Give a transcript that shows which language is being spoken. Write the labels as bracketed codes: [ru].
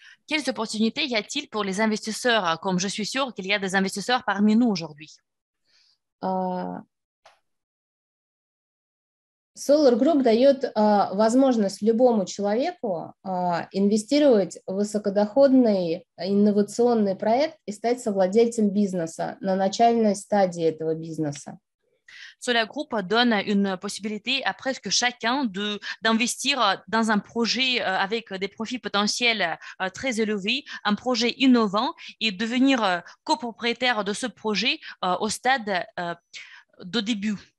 [fr] Quelles opportunités y a-t-il pour les investisseurs, comme je suis sûre qu'il y a des investisseurs parmi nous aujourd'hui? [ru] Solar Group дает возможность любому человеку инвестировать в высокодоходный инновационный проект и стать совладельцем бизнеса на начальной стадии этого бизнеса. [fr] Solar Group donne une possibilité à presque chacun d'investir dans un projet avec des profits potentiels très élevés, un projet innovant et devenir copropriétaire de ce projet au stade de début.